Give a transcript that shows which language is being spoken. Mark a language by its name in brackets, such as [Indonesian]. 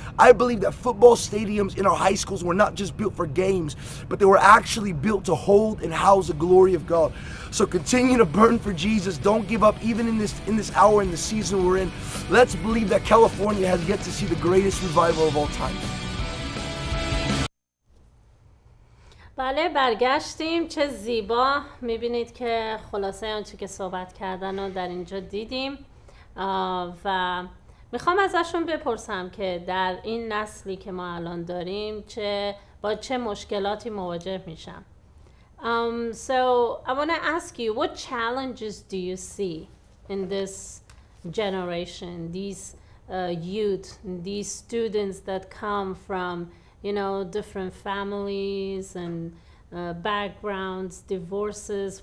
[English] I believe that football stadiums in our high schools were not just built for games, but they were actually built to hold and house the glory of God. So continue to burn for Jesus. Don't give up, even in this hour, in the season we're in. Let's believe that California has yet to see the greatest revival of all time. [Persian] بله، برگشتیم. چه زیبا میبینید که خلاصه آنچه که صحبت کردن رو در اینجا دیدیم و میخوام ازشون بپرسم که در این نسلی که ما الان داریم با چه مشکلاتی مواجه میشم. [English] So I want to ask you, what challenges do you see in this generation, these youth, these students that come from, you know, different families and backgrounds, divorces?